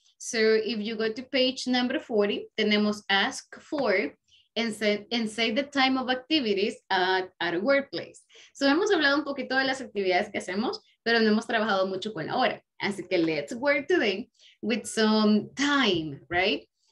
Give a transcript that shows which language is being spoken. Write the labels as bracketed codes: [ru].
[en] So if you go to page number 40, tenemos ask for and say the time of activities at a workplace. [es] So hemos hablado un poquito de las actividades que hacemos, pero no hemos trabajado mucho con la hora. Así que [en] let's work today with some time, right?